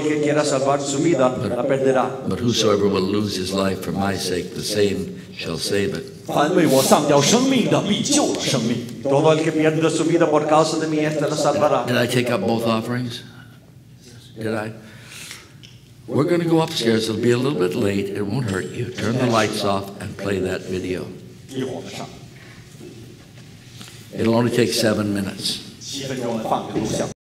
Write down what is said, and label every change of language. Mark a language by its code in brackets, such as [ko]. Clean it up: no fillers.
[en] whosoever will lose his life for my sake, the same shall save it. [zh] 凡为我丧掉生命的，必救了生命。Did [en] I take up both offerings? Did I? We're going to go upstairs. It'll be a little bit late. It won't hurt you. Turn the lights off and play that video. It'll only take 7 minutes. [zh] 7分钟放个录像。